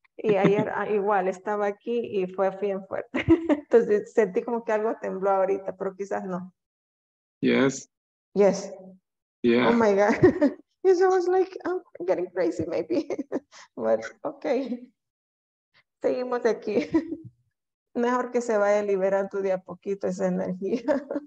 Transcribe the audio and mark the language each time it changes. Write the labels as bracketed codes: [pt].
[es] Y ayer igual estaba aquí y fue bien fuerte. Entonces sentí como que algo tembló ahorita, pero quizás no. [en] Yes. Yes. Yeah. Oh my God. Yes, I was like, I'm getting crazy maybe. But okay. [es] Seguimos aquí. Mejor que se vaya liberando de a poquito esa energía.